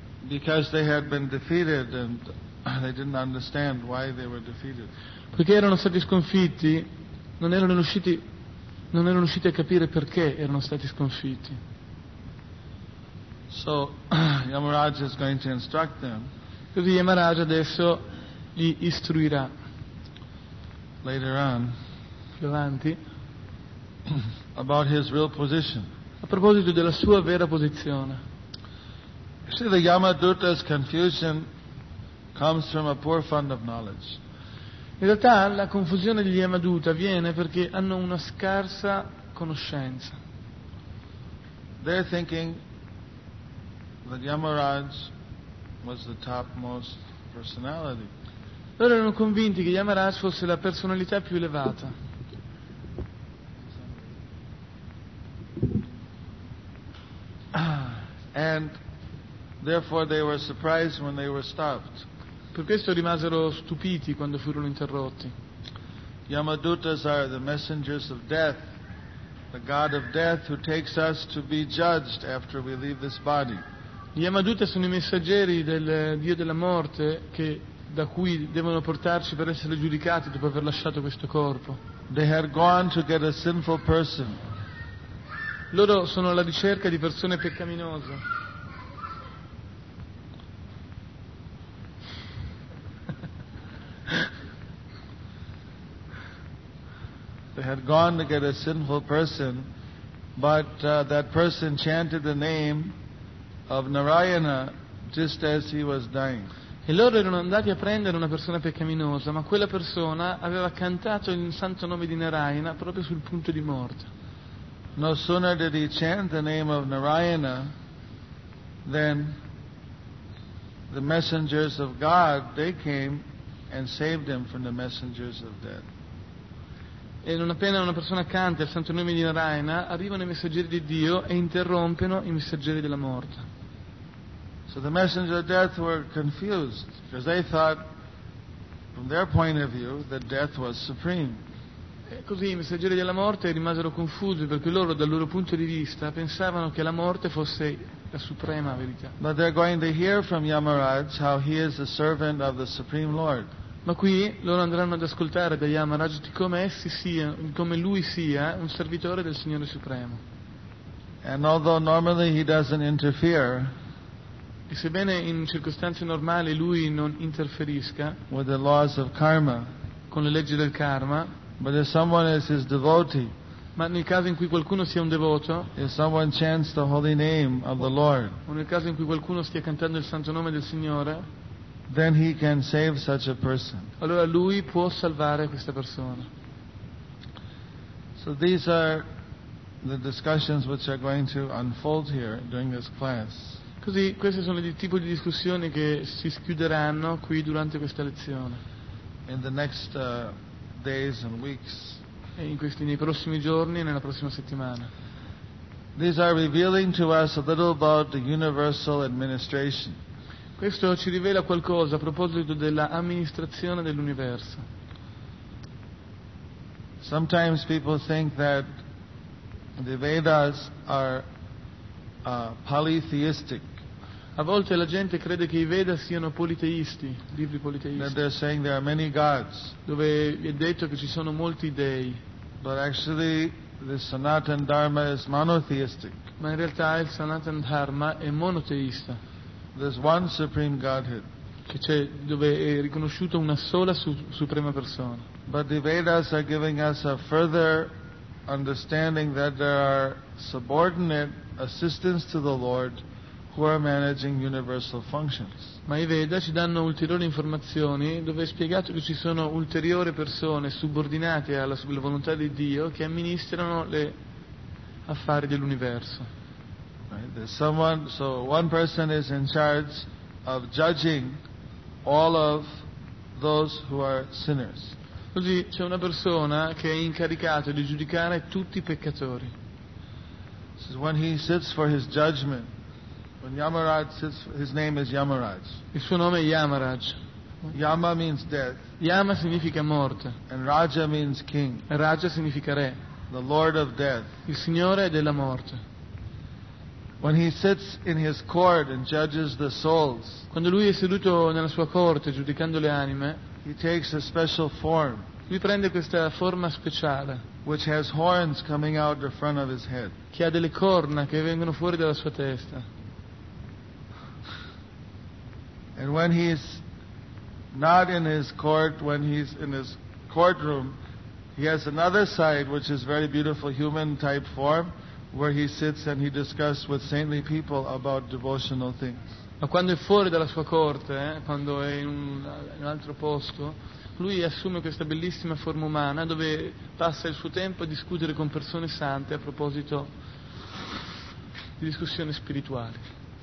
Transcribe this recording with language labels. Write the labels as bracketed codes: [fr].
[en] Because they had been defeated and they didn't understand why they were defeated. [it] Perché erano stati sconfitti, non erano riusciti a capire perché erano stati sconfitti. [en] So Yamaraj is going to instruct them. [it] Così Yamaraj adesso li istruirà. [en] Later on. [it] Più avanti. [en] About his real position. [it] A proposito della sua vera posizione. [en] See, the Yamaduta's confusion comes from a poor fund of knowledge. [it] In realtà la confusione degli Yamaduta viene perché hanno una scarsa conoscenza. [en] They're thinking that Yamaraj was the topmost personality. [it] Loro erano convinti che Yamaraj fosse la personalità più elevata. [en] And therefore they were surprised when they were stopped. [it] Per questo rimasero stupiti quando furono interrotti. [en] Yamadutas are the messengers of death, the god of death who takes us to be judged after we leave this body. [it] Gli Yamaduta sono i messaggeri del dio della morte che da cui devono portarci per essere giudicati dopo aver lasciato questo corpo. [en] They had gone to get a sinful person. [it] Loro sono alla ricerca di persone peccaminose. [en] They had gone to get a sinful person, but that person chanted the name of Narayana just as he was dying. [it] E loro erano andati a prendere una persona peccaminosa, ma quella persona aveva cantato il santo nome di Narayana proprio sul punto di morte. [en] No sooner did he chant the name of Narayana than the messengers of God, they came and saved him from the messengers of death. [it] E non appena una persona canta il santo nome di Narayana, arrivano i messaggeri di Dio e interrompono i messaggeri della morte. [en] So the messengers of death were confused because they thought from their point of view that death was supreme. [it] E così i messaggeri della morte rimasero confusi perché loro dal loro punto di vista pensavano che la morte fosse la suprema verità. [en] But they're going to hear from Yamaraj how he is a servant of the Supreme Lord. [it] Ma qui loro andranno ad ascoltare da Yamaraj di come essi sia, come lui sia un servitore del Signore Supremo. [en] And although normally he doesn't interfere, [it] e sebbene in circostanze normali lui non interferisca [en] with the laws of karma, [it] con le leggi del karma, [en] but if someone is his devotee, [it] ma nel caso in cui qualcuno sia un devoto, [en] if someone chants the holy name of the Lord, [it] o nel caso in cui qualcuno stia cantando il santo nome del Signore, [en] then he can save such a person. [it] Allora lui può salvare questa persona. [en] So these are the discussions which are going to unfold here during this class. [it] Così queste sono il tipo di discussioni che si schiuderanno qui durante questa lezione. [en] In the next days and weeks. [it] E in questi nei prossimi giorni e nella prossima settimana. [en] These are revealing to us a little about the universal administration. [it] Questo ci rivela qualcosa a proposito della amministrazione dell'universo. [en] Sometimes people think that the Vedas are polytheistic. [it] A volte la gente crede che i Veda siano politeisti, libri politeisti. [en] That they're saying there are many gods. [it] Dove è detto che ci sono molti dei. [en] But actually, the Sanatana Dharma is monotheistic. [it] Ma in realtà il Sanatana Dharma è monoteista. [en] There's one supreme godhead. [it] Che c'è, dove è riconosciuta una sola suprema persona. [en] But the Vedas are giving us a further understanding that there are subordinate assistants to the Lord who are managing universal functions. [it] Ma i Veda ci danno ulteriori informazioni dove è spiegato che ci sono ulteriori persone subordinate alla volontà di Dio che amministrano le affari dell'universo. [en] Right, there's someone, so one person is in charge of judging all of those who are sinners. [it] Così c'è una persona che è incaricata di giudicare tutti i peccatori. [en] So when he sits for his judgment, when Yamaraj sits, his name is Yamaraj. [it] Il suo nome è Yamaraj. [en] Yama means death. [it] Yama significa morte. [en] And Raja means king. [it] Raja significa re. [en] The Lord of death. [it] Il Signore della morte. [en] When he sits in his court and judges the souls. [it] Quando lui è seduto nella sua corte giudicando le anime. [en] He takes a special form. [it] Lui prende questa forma speciale. [en] Which has horns coming out the front of his head. [it] Che ha delle corna che vengono fuori dalla sua testa. [en] And when he's not in his court, when he's in his courtroom, he has another side which is very beautiful human type form, where he sits and he discusses with saintly people about devotional things. [it] Ma quando è fuori dalla sua corte, quando è in un altro posto, lui assume questa bellissima forma umana dove passa il suo tempo a discutere con persone sante a proposito di discussioni spirituali.